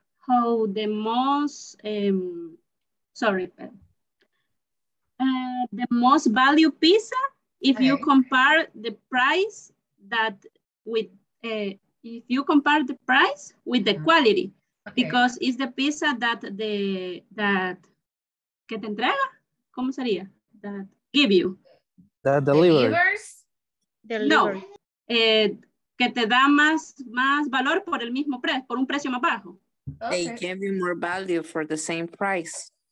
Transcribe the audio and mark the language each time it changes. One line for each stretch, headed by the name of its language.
English: how the most the most value pizza if you compare the price that with if you compare the price with the quality because it's the pizza that the that
Spanish: que te entrega cómo sería
English: that give you that delivers
Spanish: no que te da más más valor por el mismo precio por un precio más bajo
English: they give you more value for the same price.